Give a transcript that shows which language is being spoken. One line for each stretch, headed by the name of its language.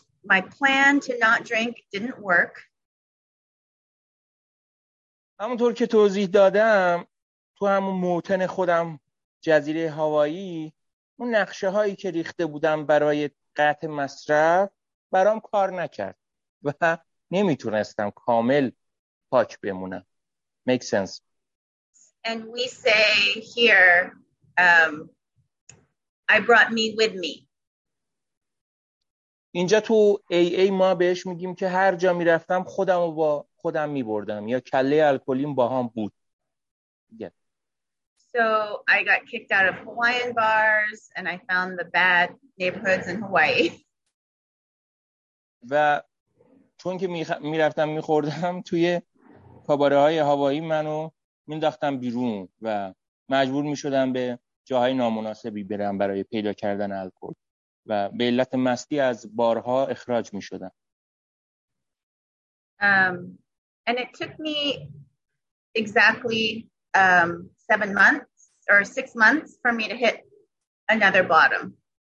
English: My plan to not drink didn't work.
Persian: همونطور که توضیح دادم تو همون موتن خودم جزیره هوایی اون نقشه هایی که ریخته بودم برای قطع مصرف برام کار نکرد و نمیتونستم کامل پاک بمونم.
English: Make sense. And we say here, I brought me with me.
Persian: اینجا تو AA ما بهش میگیم که هر جا میرفتم خودم رو با خودم میبردم یا کله الکلیم با هم بود.
English: Yeah. So I got kicked out of Hawaiian bars and I found the bad neighborhoods in Hawaii.
Persian: و چون که میرفتم میخوردم توی کاباره های هوایی منو مینداختم بیرون و مجبور میشدم به جاهای نامناسبی برم برای پیدا کردن الکل و به علت مستی از بارها اخراج میشدم.
English: And it took me exactly 7 months or 6 months for me to hit another bottom.